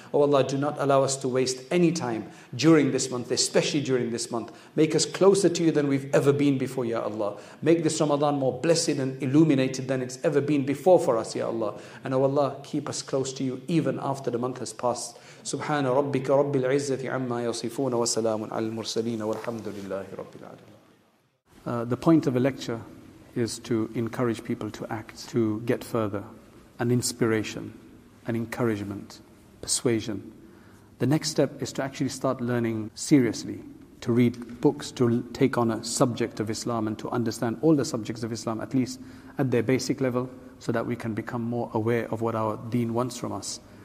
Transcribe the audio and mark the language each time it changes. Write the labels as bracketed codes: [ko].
[en] Oh Allah, do not allow us to waste any time during this month, especially during this month. Make us closer to you than we've ever been before, Ya Allah. Make this Ramadan more blessed and illuminated than it's ever been before for us, Ya Allah. And oh Allah, keep us close to you even after the month has passed. [ar] سبحان ربك رب العزة عما يصفون وسلام على المرسلين والحمد لله رب العالمين. [en] The point of a lecture is to encourage people to act, to get further, an inspiration, an encouragement, persuasion. The next step is to actually start learning seriously, to read books, to take on a subject of Islam and to understand all the subjects of Islam, at least at their basic level, so that we can become more aware of what our deen wants from us.